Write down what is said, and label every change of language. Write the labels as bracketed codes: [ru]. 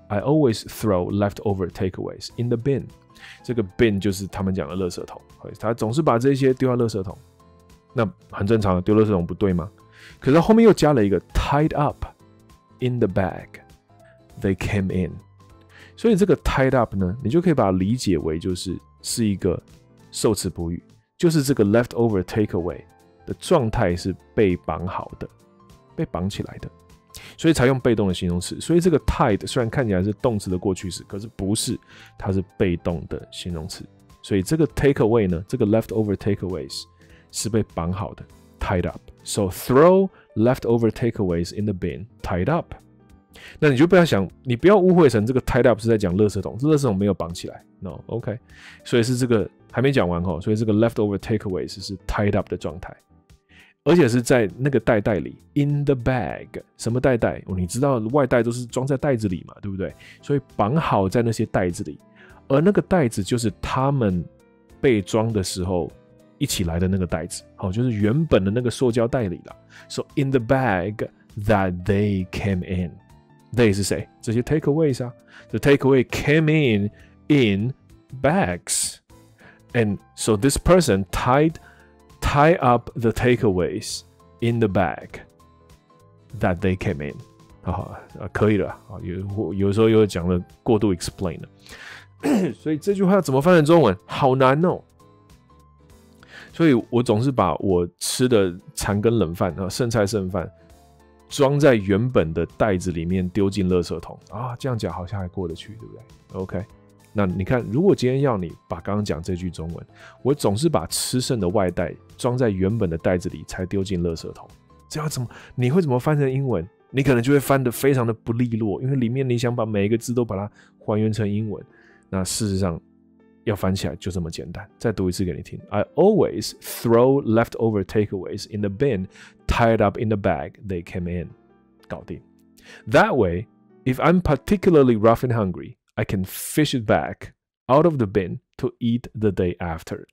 [en] I always throw leftover takeaways in the bin. [zh] 这个 bin 就是他们讲的垃圾桶，他总是把这些丢到垃圾桶，那很正常，丢垃圾桶不对吗？可是后面又加了一个 [en] tied up in the bag they came in, [zh] 所以这个 tied up 呢，你就可以把它理解为就是一个受词补语，就是这个 leftover takeaway 的状态是被绑好的，被绑起来的，所以才用被动的形容词。所以这个 tied 虽然看起来是动词的过去式，可是不是，它是被动的形容词。所以这个 takeaway 呢，这个 leftover takeaways 是被绑好的 tied up. [en] So throw leftover takeaways in the bin tied up. [zh] 那你就不要想，你不要误会成这个 tied up 是在讲垃圾桶，这垃圾桶没有绑起来。 [en] No, OK. [zh] 所以是这个还没讲完齁，所以这个 leftover takeaways 是 tied up 的状态。而且是在那个袋袋里 ， [en] in the bag， [zh] 什么袋袋、哦？你知道外袋都是装在袋子里嘛，对不对？所以绑好在那些袋子里，而那个袋子就是他们被装的时候一起来的那个袋子，哦、就是原本的那个塑胶袋里了。 [en] So in the bag that they came in， they [zh] 是谁？这些 [en] takeaways 啊 ，the takeaway came in bags， and so this person tied up the takeaways in the bag that they came in. [zh] 好、哦、可以了、哦、有时候又讲了过度 explain 了。所以这句话怎么翻成中文好难哦。所以我总是把我吃的残羹冷饭剩菜剩饭装在原本的袋子里面丢进垃圾桶。啊、哦、这样讲好像还过得去对不对 ?OK。那你看，如果今天要你把刚刚讲这句中文，我总是把吃剩的外带装在原本的袋子里，才丢进垃圾桶，这要怎么？你会怎么翻成英文？你可能就会翻得非常的不利落，因为里面你想把每一个字都把它还原成英文，那事实上要翻起来就这么简单。再读一次给你听 [en] ：I always throw leftover takeaways in the bin, tied up in the bag they came in. [zh] 搞定。 [en] That way, if I'm particularly rough and hungry. I can fish it back out of the bin to eat the day after.